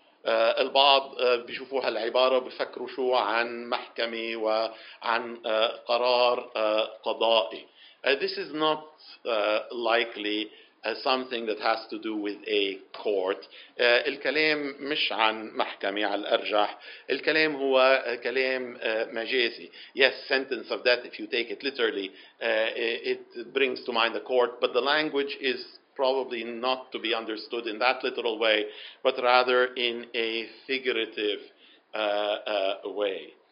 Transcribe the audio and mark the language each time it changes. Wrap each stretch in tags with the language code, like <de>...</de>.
<ar>البعض بيشوفوا هالعبارة وبيفكروا شو عن محكمة وعن قرار قضائي.</ar> <en>This is not likely something that has to do with a court.</en> <ar>الكلام مش عن محكمة على الأرجح. الكلام هو كلام مجازي.</ar> <en>Yes, sentence of death, if you take it literally, it brings to mind the court, but the language is probably not to be understood in that literal way, but rather in a figurative way.</en>